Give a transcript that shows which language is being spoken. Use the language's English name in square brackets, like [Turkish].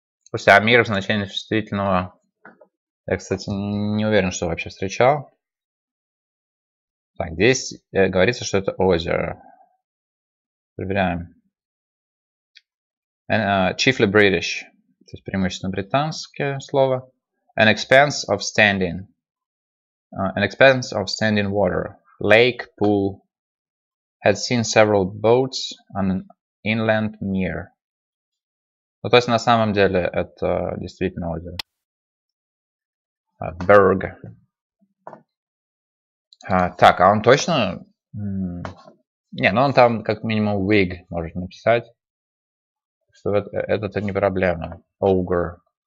[Russian] Слушайте, а mirror в значении существительного... Я, кстати, не уверен, что вообще встречал. Так, здесь говорится, что это озеро. Проверяем. [English] Chiefly British. [Russian] То есть преимущественно британское слово. [English] An expanse of standing. An expanse of standing water. Lake, pool. Had seen several boats on an inland mere. [Russian] Ну, то есть на самом деле это действительно озеро. [English] Berg. [Russian] Так, а он точно... Не, ну он там как минимум wig может написать. Что это не проблема. Ogre.